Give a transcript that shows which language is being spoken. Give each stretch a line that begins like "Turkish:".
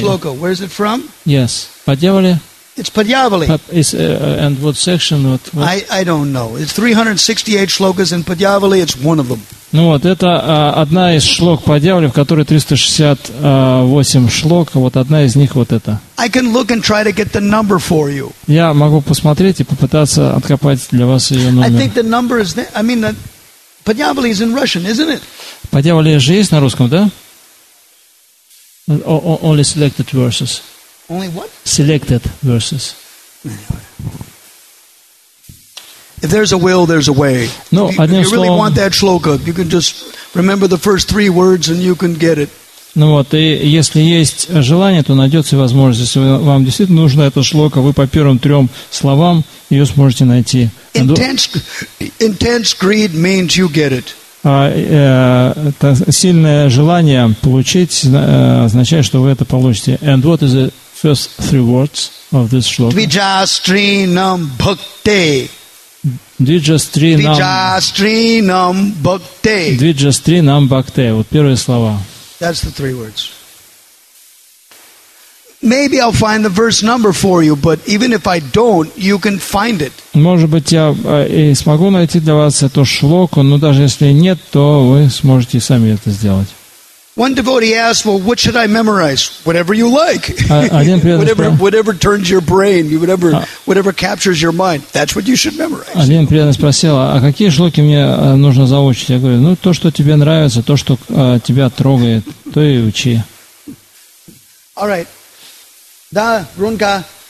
English: That shloka, where is it from? Yes, Padyavali. It's Padyavali. And what section? What? I don't know. It's 368 shlokas in Padyavali. It's one of them.
Russian: Ну вот, это одна из шлок Падьявали, в которой 368 шлок, вот одна из них вот эта.
English: I can look and try to get the number for you.
Russian: Я могу посмотреть и попытаться откопать для вас ее номер.
English: I think the number is there. I mean, Падьявали is in Russian, isn't it?
Russian: Падьявали же есть на русском, да?
English: Only selected verses. Only what? Selected verses. If there's a will, there's a way. No, if you really want that shloka, you can just remember the first three words and you can get it.
Russian: Ну вот, и если есть желание, то найдется возможность. Если вам действительно нужна эта шлока, вы по первым трем словам ее сможете найти.
English: Intense greed means you get it.
Russian: Сильное желание получить означает, что вы это получите.
English: And what is the first three words of this shloka?
Sanskrit: Dvijastrinam bhakte. Dvijastrinam bhakte.
Russian: Вот первые слова.
English: That's the three words. Maybe I'll find the verse number for you, but even if I don't, you can find it.
Russian: Может быть, я и смогу найти для вас эту шлоку, но даже если нет, то вы сможете сами это сделать.
English: One devotee asked, "Well, what should I memorize? Whatever you like. whatever turns your brain, whatever captures your mind. That's what you should memorize."
Russian: Один преданный спросил, а какие шлоки мне нужно заучить? Я говорю, ну то, что тебе нравится, то, что тебя трогает, то и учи.
English: All right.
Russian: Да,
English: Рунка.